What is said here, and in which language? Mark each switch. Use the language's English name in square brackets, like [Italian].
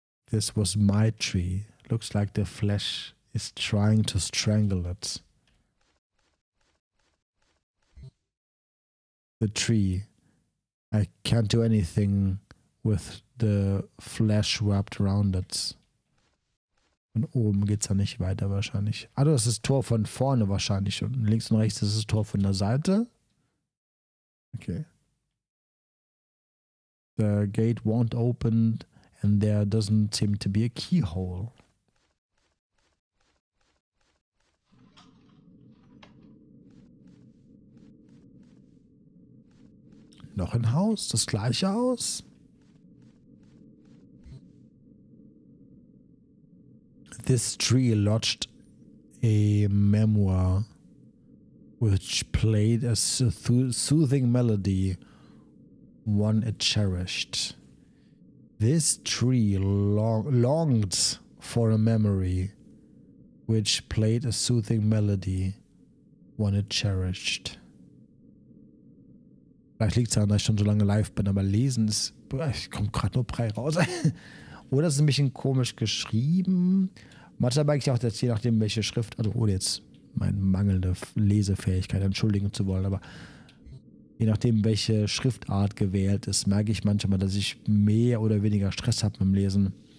[English] This was my tree. Looks like the flesh is trying to strangle it. The tree. I can't do anything with the flesh wrapped around it. [German] Von oben geht's ja nicht weiter wahrscheinlich. Also das ist Tor von vorne wahrscheinlich. Und links und rechts ist das Tor von der Seite. Okay. [English] The gate won't open and there doesn't seem to be a keyhole. [German] Noch ein Haus, das gleiche Haus. [English] This tree lodged a memoir which played a soothing melody, one it cherished. This tree longed for a memory which played a soothing melody, one it cherished. [German] Vielleicht liegt es daran, dass ich schon so lange live bin, aber lesen ist, ich komme gerade nur Brei raus. Oder ist es ein bisschen komisch geschrieben? Manchmal merke ich auch, dass je nachdem, welche Schrift, also ohne jetzt meine mangelnde Lesefähigkeit entschuldigen zu wollen, aber je nachdem, welche Schriftart gewählt ist, merke ich manchmal, dass ich mehr oder weniger Stress habe beim Lesen.